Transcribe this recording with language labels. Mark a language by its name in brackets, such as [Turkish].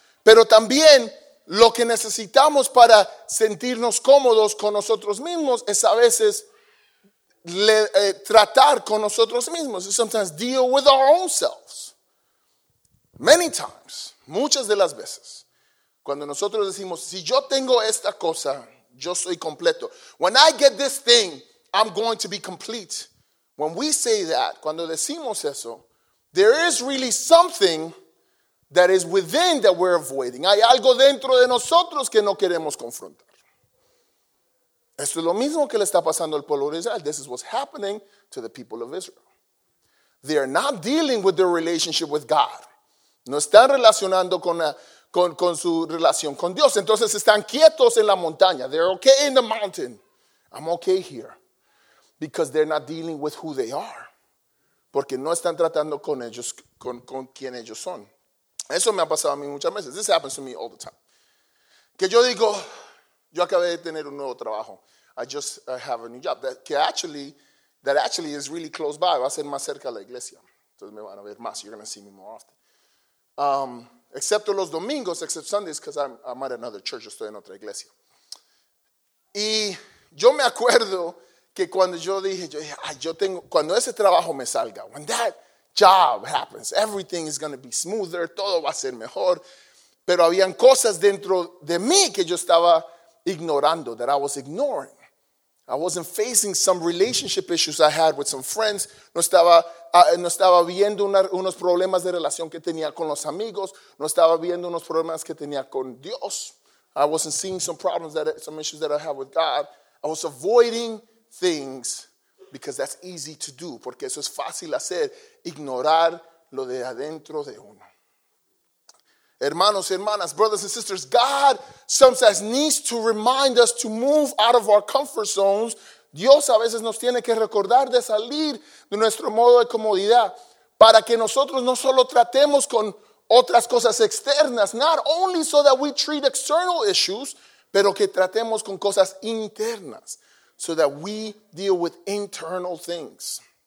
[Spanish] Pero también lo que necesitamos para sentirnos cómodos con nosotros mismos es a veces tratar con nosotros mismos. [English] Sometimes deal with our own selves. Many times, [Spanish] muchas de las veces, cuando nosotros decimos, si yo tengo esta cosa, yo soy completo. [English] When I get this thing, I'm going to be complete. When we say that, [Spanish] cuando decimos eso, [English] there is really something that is within that we're avoiding. [Spanish] Hay algo dentro de nosotros que no queremos confrontar. Esto es lo mismo que le está pasando al pueblo de Israel. [English] This is what's happening to the people of Israel. They are not dealing with their relationship with God. [Spanish] No están relacionando con su relación con Dios. Entonces están quietos en la montaña. [English] They're okay in the mountain. I'm okay here. Because they're not dealing with who they are. [Spanish] Porque no están tratando con ellos, con quien ellos son. Eso me ha pasado a mí muchas veces. [English] This happens to me all the time. [Spanish] Que yo digo, yo acabé de tener un nuevo trabajo. [English] I have a new job. That actually is really close by. [Spanish] Va a ser más cerca de la iglesia. Entonces me van a ver más. [English] You're going to see me more often. [Spanish] Excepto los domingos, [English] except Sundays, because I'm at another church. [Spanish] Yo estoy en otra iglesia. Y yo me acuerdo que cuando yo dije, ay, yo tengo, cuando ese trabajo me salga, [English] when that job happens, everything is going to be smoother, [Spanish] todo va a ser mejor. Pero habían cosas dentro de mí que yo estaba ignorando, [English] that I was ignoring. I wasn't facing some relationship issues I had with some friends. [Spanish] No estaba viendo unos problemas de relación que tenía con los amigos. No estaba viendo unos problemas que tenía con Dios. [English] I wasn't seeing some issues that I had with God. I was avoiding things because that's easy to do. [Spanish] Porque eso es fácil hacer, ignorar lo de adentro de uno. Hermanos, hermanas, [English] brothers and sisters, God sometimes needs to remind us to move out of our comfort zones. [Spanish] Dios a veces nos tiene que recordar de salir de nuestro modo de comodidad para que nosotros no solo tratemos con otras cosas externas, [English] not only so that we treat external issues, [Spanish] pero que tratemos con cosas internas, [English] so that we deal with internal things.